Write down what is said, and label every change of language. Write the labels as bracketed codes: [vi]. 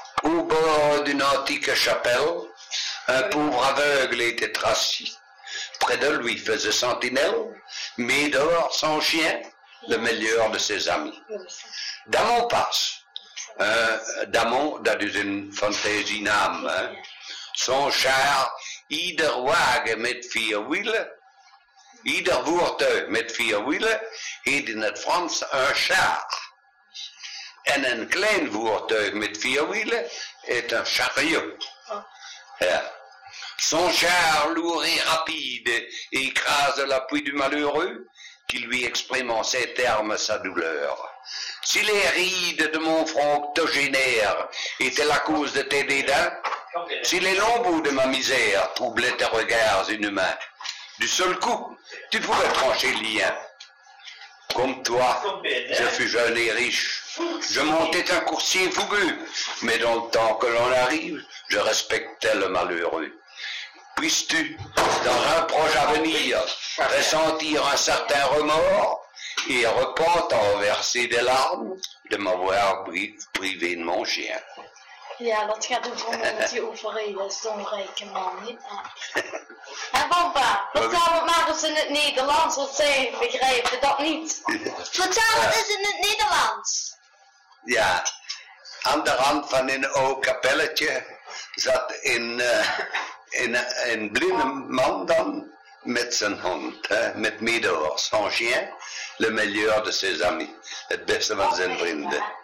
[fr] Au bord d'une antique chapelle, un pauvre aveugle était assis. Près de lui faisait sentinelle, Médor, son chien, le meilleur de ses amis. Damon passe. Damon, [nl] dat is [fr] une fantaisie d'âme, hein. Son char, [nl] ieder wagen met vier wielen, ieder voertuig met vier wielen, heet in het Frans un char. En een klein voertuig met vier wielen [fr] est un chariot. [nl] Oh. Ja. [fr] Son char lourd et rapide écrase l'appui du malheureux qui lui exprime en ces termes sa douleur. Si les rides de mon front octogénaire étaient la cause de tes dédains, si les lambeaux de ma misère troublaient tes regards inhumains, du seul coup, tu pouvais trancher le lien. Comme toi, je fus jeune et riche. Je montais un coursier fougueux, mais dans le temps que l'on arrive, je respectais le malheureux. Puisses-tu, dans un proche avenir, ressentir un certain remords et repentant verser des larmes de m'avoir privé de mon chien. [nl] Ja, dat gaat ook om met die overheden, zo'n rijke man, niet waar? En papa, vertel het maar eens in het Nederlands, want zij begrijpen dat niet. Vertel het eens in het Nederlands. Ja, aan de rand van een oud kapelletje zat een blinde man dan met zijn hond, hè, met Médor, [fr] son chien, le meilleur de ses amis, [nl] het beste van zijn vrienden.